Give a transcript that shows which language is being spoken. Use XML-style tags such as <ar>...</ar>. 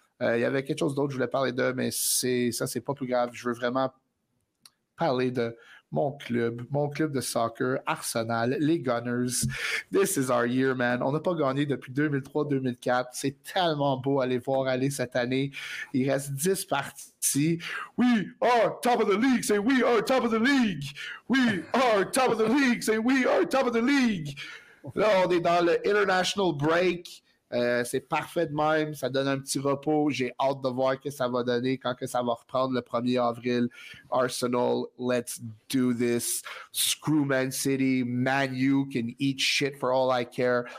<fr>Il y avait quelque chose d'autre que je voulais parler de, mais c'est pas plus grave. Je veux vraiment parler de mon club de soccer, Arsenal, les Gunners.</fr> <en>This is our year, man.</en> <fr>On n'a pas gagné depuis 2003-2004. C'est tellement beau à les voir aller cette année. Il reste 10 parties.</fr> <en>We are top of the league. Say we are top of the league. We are top of the league. Say we are top of the league.</en> <fr>Là, on est dans le international break. C'est parfait de même. Ça donne un petit repos. J'ai hâte de voir ce que ça va donner quand que ça va reprendre le 1er avril.</fr> <en>Arsenal, let's do this. Screw Man City. Man U can eat shit for all I care.</en>